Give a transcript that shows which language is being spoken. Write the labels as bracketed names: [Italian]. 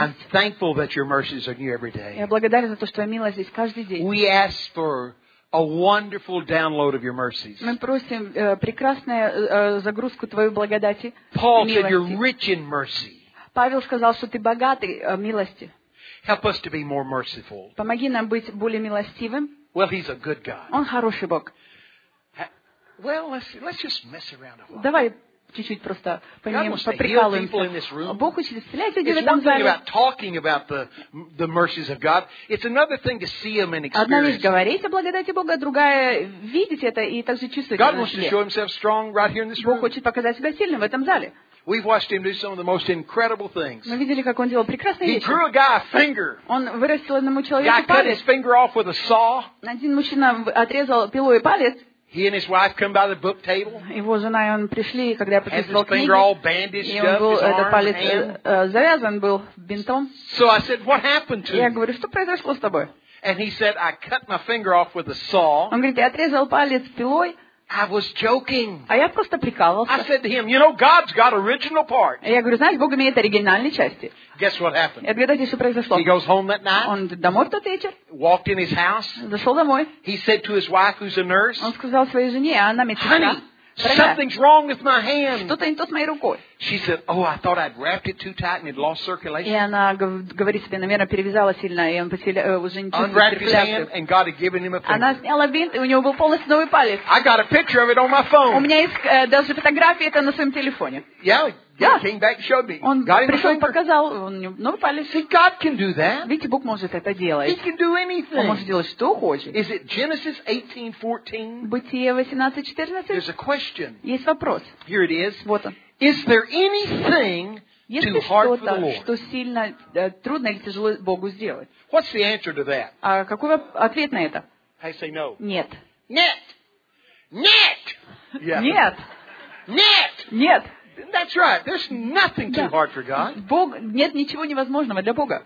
[English] I'm thankful that Your mercies are new every day. [Russian] Я благодарен за то, что Твоя милость здесь каждый день. [English] We ask for a wonderful download of your mercies. [Russian] Мы просим прекрасную загрузку твоей благодати. [English] Paul said you're rich in mercy. [Russian] Павел сказал, что ты богатый милости. [English] Help us to be more merciful. [Russian] Помоги нам быть более милостивым. [English] Well, he's a good God. [Russian] Он хороший Бог. [English] Well, let's just mess around a while. [Russian] Давай чуть-чуть просто поприкалываемся. Бог хочет исцелять людей в этом зале. Одна вещь — говорить о благодати Бога, другая — видеть это и также чувствовать это. Бог хочет показать себя сильным в этом зале. [English] We've watched him do some of the most incredible things. [Russian] Мы видели, как он делал прекрасные вещи. [English] He drew a guy a finger. [Russian] Он вырастил одному человеку палец. [English] Guy cut his finger off with a saw. [Russian] Один мужчина отрезал пилой палец. [English] He and his wife come by the book table. [Russian] Его жена и он пришли, когда я подписывал книги. [English] Has his finger all bandaged up, his arm, [Russian] этот палец завязан был бинтом. [English] So I said, "What happened to you?" [Russian] Я говорю, что произошло с тобой? [English] And he said, "I cut my finger off with a saw." [Russian] Он говорит, я отрезал палец пилой. [English] I was joking. [Russian] А я просто прикалывался. [English] I said to him, "You know, God's got original parts." [Russian] Я говорю, знаешь, Бог имеет оригинальные части. [English] Guess what happened? [Russian] Отгадайте, что произошло. [English] He goes home that night. [Russian] Он домой в тот вечер. [English] Walked in his house. [Russian] Зашел домой. [English] He said to his wife, who's a nurse. [Russian] Он сказал своей жене, а она медсестра. [English] Honey, something's wrong with my hand. [Russian] Что-то не то с моей рукой. [English] She said, "Oh, I thought I'd wrapped it too tight and it lost circulation." [Russian] И она говорит себе, наверное, перевязала сильно, и он потерял уже не чувствует циркуляцию. [English] Unwrapped his hand and God had given him a finger. [Russian] Она сняла бинт, и у него был полностью новый палец. [English] I got a picture of it on my phone. [Russian] У меня есть даже фотография, это на своем телефоне. [English] Yeah, he came back and showed me. [Russian] Он пришел и показал, он новый палец. [English] See, God can do that. [Russian] Видите, Бог может это делать. [English] He can do anything. [Russian] Он может делать что хочет. [English] Is it Genesis 18:14? [Russian] Бытие 18:14. [English] There's a question. [Russian] Есть вопрос. [English] Here it is. [Russian] Вот он. [English] Is there anything too hard for the Lord? [Russian] Что сильно трудно или тяжело Богу сделать? [English] What's the answer to that? [Russian] А какой ответ на это? [English] I say no. [Russian] Нет. Нет. Нет. Нет. Нет. Нет. [English] That's right. There's nothing too hard for God. [Russian] Бог, нет ничего невозможного для Бога.